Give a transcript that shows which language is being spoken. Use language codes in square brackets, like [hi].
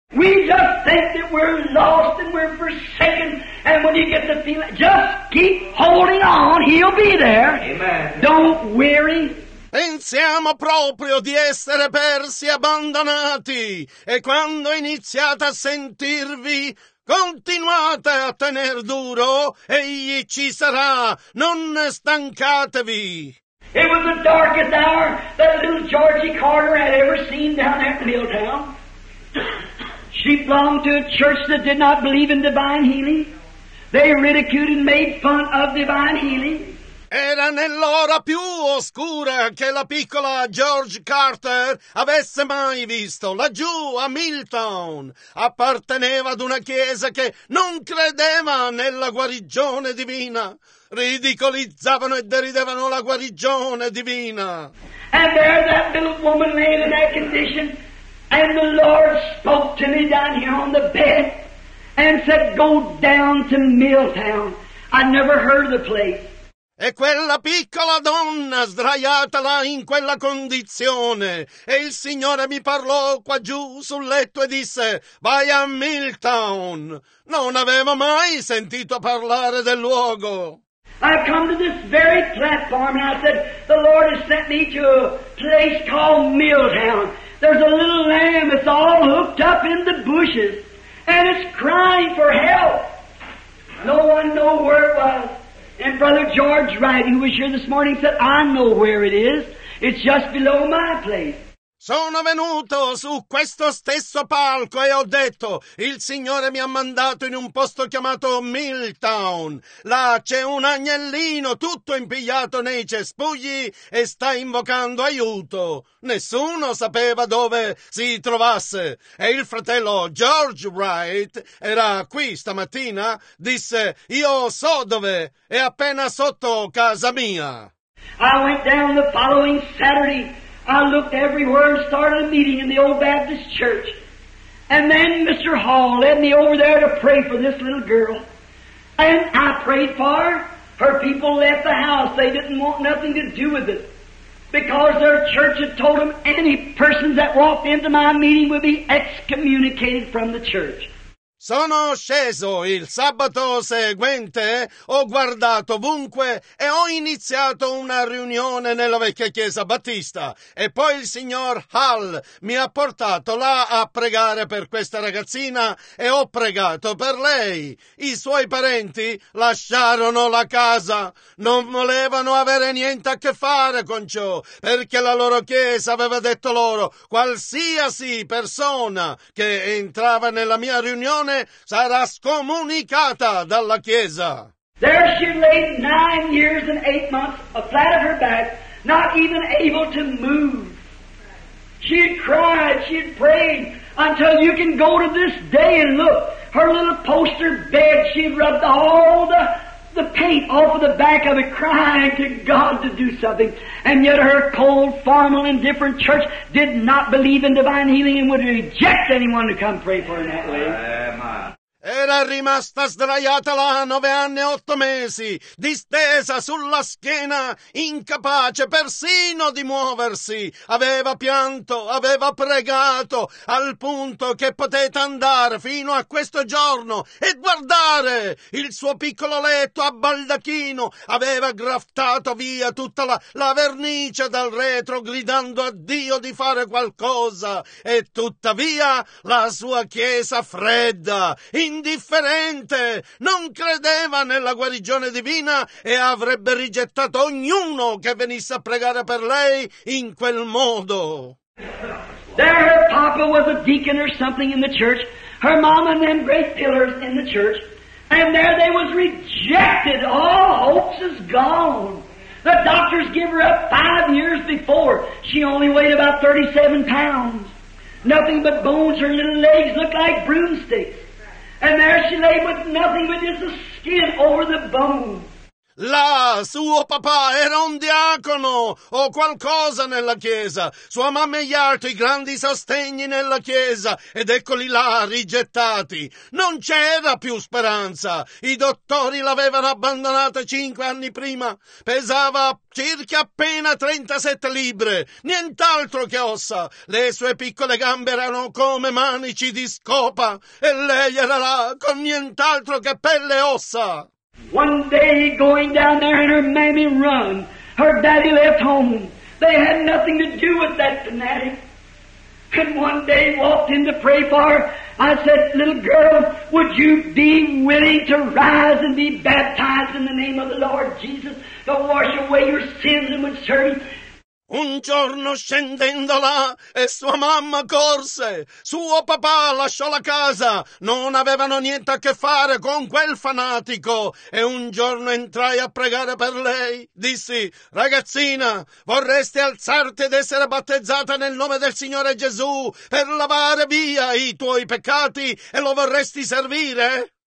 [en] We just think that we're lost and we're forsaken. And when you get the feeling, just keep holding on. He'll be there. Amen. Don't weary. [it] Pensiamo proprio di essere persi, abbandonati, e quando iniziate a sentirvi, continuate a tener duro, egli ci sarà, non stancatevi. [en] It was the darkest hour that little Georgie Carter had ever seen down at Milltown. She belonged to a church that did not believe in divine healing. They ridiculed and made fun of divine healing. [it] Era nell'ora più oscura che la piccola George Carter avesse mai visto, laggiù a Milltown. Apparteneva ad una chiesa che non credeva nella guarigione divina. Ridicolizzavano e deridevano la guarigione divina. [en] And there that little woman lay in that condition, and the Lord spoke to me down here on the bed and said, go down to Milltown. I never heard of the place. [it] E quella piccola donna sdraiata là in quella condizione. E il Signore mi parlò qua giù sul letto e disse, vai a Milltown. Non avevo mai sentito parlare del luogo. [en] I've come to this very platform and I said, the Lord has sent me to a place called Milltown. There's a little lamb that's all hooked up in the bushes and it's crying for help. No one know where it was. And Brother George Wright, who was here this morning, said, I know where it is. It's just below my place. [it] Sono venuto su questo stesso palco e ho detto, il Signore mi ha mandato in un posto chiamato Milltown. Là c'è un agnellino tutto impigliato nei cespugli e sta invocando aiuto. Nessuno sapeva dove si trovasse. E il fratello George Wright era qui stamattina, disse, io so dove, è appena sotto casa mia. [en] I went down the following Saturday. I looked everywhere and started a meeting in the old Baptist church. And then Mr. Hall led me over there to pray for this little girl. And I prayed for her. Her people left the house. They didn't want nothing to do with it. Because their church had told them any persons that walked into my meeting would be excommunicated from the church. [it] Sono sceso il sabato seguente, ho guardato ovunque e ho iniziato una riunione nella vecchia chiesa battista. E poi il signor Hall mi ha portato là a pregare per questa ragazzina e ho pregato per lei. I suoi parenti lasciarono la casa, non volevano avere niente a che fare con ciò, perché la loro chiesa aveva detto loro, qualsiasi persona che entrava nella mia riunione sarà scomunicata dalla chiesa. [en] There she lay 9 years and 8 months, a flat of her back, not even able to move. She had cried, she had prayed, until you can go to this day and look. Her little poster bed, she rubbed all the paint off of the back of it, crying to God to do something. And yet her cold, formal, indifferent church did not believe in divine healing and would reject anyone to come pray for her in that way. [it] E era rimasta sdraiata là 9 anni e 8 mesi, distesa sulla schiena, incapace persino di muoversi. Aveva pianto, aveva pregato, al punto che potete andare fino a questo giorno e guardare il suo piccolo letto a baldacchino. Aveva graftato via tutta la vernice dal retro, gridando a Dio di fare qualcosa, e tuttavia la sua chiesa fredda, indifferente, non credeva nella guarigione divina e avrebbe rigettato ognuno che venisse a pregare per lei in quel modo. [en] There her papa was a deacon or something in the church, her mama and them great pillars in the church, and there they was rejected, all hopes is gone. The doctors give her up 5 years before. She only weighed about 37 pounds. Nothing but bones. Her little legs looked like broomsticks. And there she lay with nothing but just the skin over the bones. [it] Là, suo papà era un diacono o qualcosa nella chiesa, sua mamma e gli altri grandi sostegni nella chiesa, ed eccoli là, rigettati. Non c'era più speranza. I dottori l'avevano abbandonata 5 anni prima. Pesava circa appena 37 libbre, nient'altro che ossa. Le sue piccole gambe erano come manici di scopa, e lei era là con nient'altro che pelle e ossa. [en] One day going down there and her mammy run, her daddy left home. They had nothing to do with that fanatic. And one day walked in to pray for her. I said, little girl, would you be willing to rise and be baptized in the name of the Lord Jesus to wash away your sins and with charity? [it] Un giorno scendendo là, e sua mamma corse, suo papà lasciò la casa, non avevano niente a che fare con quel fanatico, e un giorno entrai a pregare per lei, dissi, ragazzina, vorresti alzarti ed essere battezzata nel nome del Signore Gesù, per lavare via i tuoi peccati, e lo vorresti servire?